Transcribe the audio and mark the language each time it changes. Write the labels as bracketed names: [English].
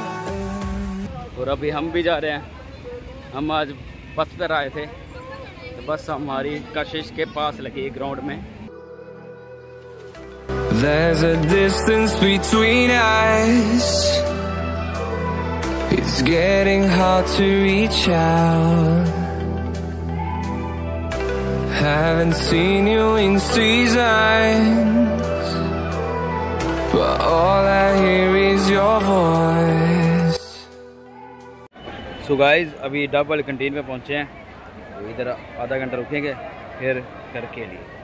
[Hindi] अभी हम भी जा रहे हैं, हम आज बस पर आए थे, तो बस हमारी कशिश के पास लगी ग्राउंड में। [English] There's a distance between us, it's getting hard to reach out, haven't seen you in seasons, but all I hear is your voice. [Hindi] तो गाइज अभी डब वाली कंटीन में पहुंचे हैं, तो इधर आधा घंटा रुकेंगे फिर घर के लिए।